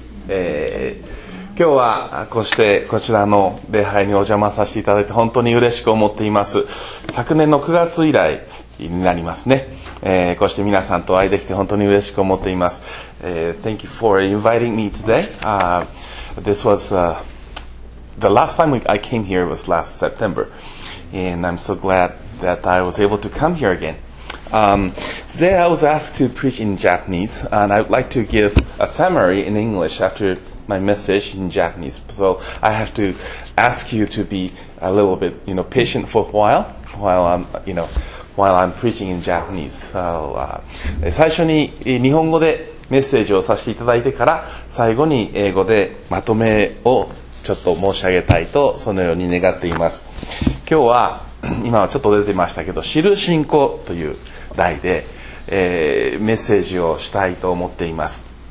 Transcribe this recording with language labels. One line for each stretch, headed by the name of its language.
Japanese: 今日はこうしてこちらの礼拝にお邪魔させていただいて本当に嬉しく思っています。昨年の9月以来になりますね、こうして皆さんとお会いできて本当に嬉しく思っています。
English: Thank you for inviting me today. This was the last time I came here was last September, and I'm so glad that I was able to come here again. Today I was asked to preach in Japanese, and I'd like to give a summary in English after my message in Japanese. So I have to ask you to be a little bit, you know, patient for a while, while I'm preaching in Japanese.
Japanese: So, 最初に日本語でメッセージをさせていただいてから、最後に英語でまとめをちょっと申し上げたいとそのように願っています。今日は今はちょっと出てましたけど、知る信仰という題で、メッセージをしたいと思っています。